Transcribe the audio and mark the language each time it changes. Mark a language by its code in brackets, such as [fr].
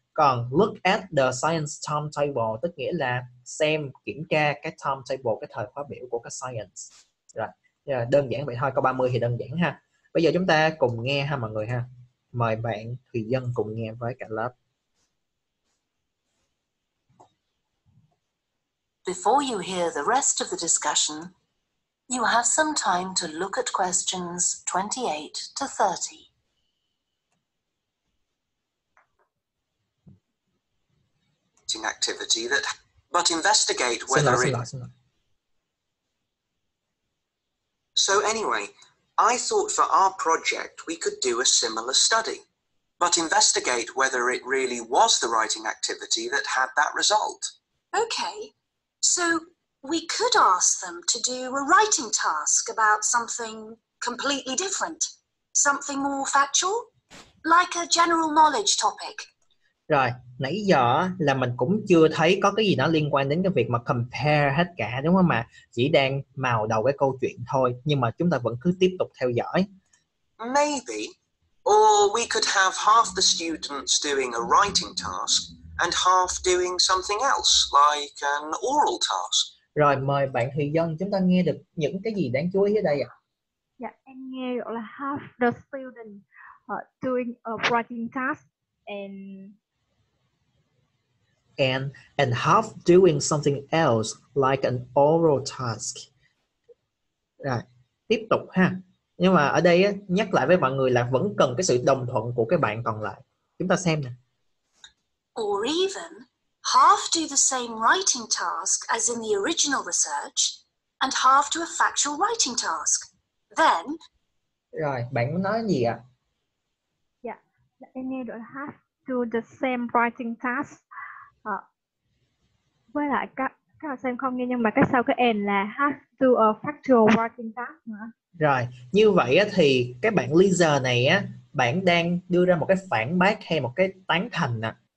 [vi] Còn look at the science timetable tức nghĩa là xem, kiểm tra cái timetable, cái thời khóa biểu của cái science. Rồi, đơn giản vậy thôi. Câu 30 thì đơn giản ha. Bây giờ chúng ta cùng nghe ha mọi người ha. Mời bạn Thùy Dân cùng nghe với cả lớp. [en] Before you hear the rest of the discussion, you have some time to look at questions 28 to 30. investigating activity that but investigate whether So anyway, I thought for our project we could do a similar study, but investigate whether it really was the writing activity that had that result. Okay, so we could ask them to do a writing task about something completely different, something more factual, like a general knowledge topic. [vi] Rồi, nãy giờ là mình cũng chưa thấy có cái gì nó liên quan đến cái việc mà compare hết cả, đúng không ạ? Chỉ đang mào đầu cái câu chuyện thôi, nhưng mà chúng ta vẫn cứ tiếp tục theo dõi. [en] Maybe, or we could have half the students doing a writing task and half doing something else, like an oral task. [vi] Rồi, mời bạn Thùy Dân, chúng ta nghe được những cái gì đáng chú ý ở đây ạ? [en] Dạ, em nghe là half the students doing a writing task and half doing something else, like an oral task. [vi] Rồi, tiếp tục ha. Nhưng mà ở đây nhắc lại với mọi người là vẫn cần cái sự đồng thuận của các bạn còn lại. Chúng ta xem nè. [en] Or even half do the same writing task as in the original research and half do a factual writing task. Then... [vi] Rồi, bạn muốn nói gì ạ? [en] Dạ, em nghe được half do the same writing task. [vi] Với lại các bạn xem không nghe, nhưng mà cái sau cái end là half do a factual writing task nữa. Rồi, như vậy thì các bạn Lisa này á, bạn đang đưa ra một cái phản bác hay một cái tán thành ạ?